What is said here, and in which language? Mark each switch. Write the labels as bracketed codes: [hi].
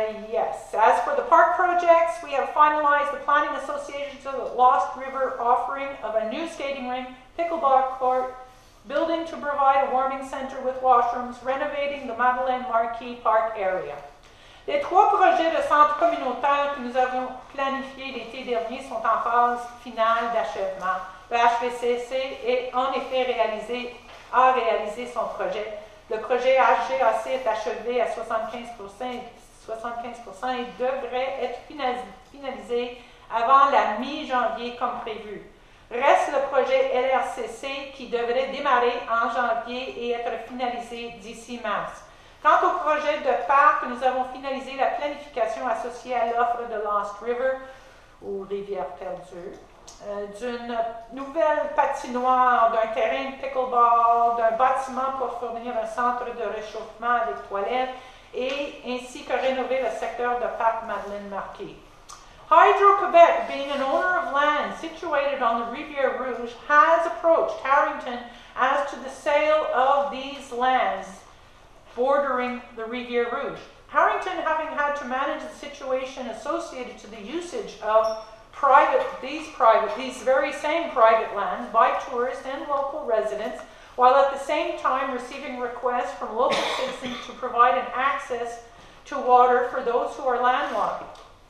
[en] Yes, as for the park projects, we have finalized the planning association to the Lost River offering of a new skating rink, pickleball court, building to provide a warming center with washrooms, renovating the Madeleine Marquis Park area. [fr] Les trois projets de centre communautaire que nous avons planifiés l'été dernier sont en phase finale d'achèvement. Le HVCC est en effet a réalisé son projet. Le projet HGAC est achevé à 75% et devrait être finalisé avant la mi-janvier comme prévu. Reste le projet LRCC qui devrait démarrer en janvier et être finalisé d'ici mars. Quant au projet de parc, nous avons finalisé la planification associée à l'offre de Lost River, ou Rivière Perdue, d'une nouvelle patinoire, d'un terrain de pickleball, d'un bâtiment pour fournir un centre de réchauffement avec toilettes, et ainsi que rénover le secteur de parc Madeleine Marquis. [en] Hydro-Québec, being an owner of land situated on the Rivière Rouge, has approached Harrington as to the sale of these lands bordering the Rivière Rouge. Harrington, having had to manage the situation associated to the usage of these very same private lands by tourists and local residents, while at the same time receiving requests from local citizens to provide an access to water for those who are landlocked,